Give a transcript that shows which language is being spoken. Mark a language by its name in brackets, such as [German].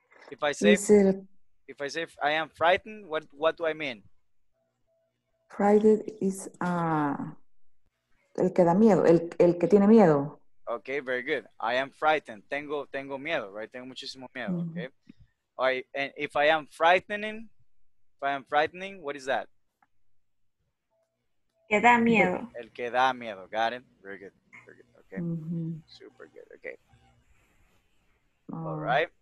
[English] If I say I am frightened, what do I mean? Frightened is [Spanish] el que da miedo, el que tiene miedo. [English] Okay, very good. I am frightened. [Spanish] Tengo miedo, [English] right? [Spanish] Tengo muchísimo miedo, okay? [English] All right, and if I am frightening, what is that? [Spanish] El que da miedo. [English] Got it? Very good. Okay. Mm-hmm. Super good. Okay. All right.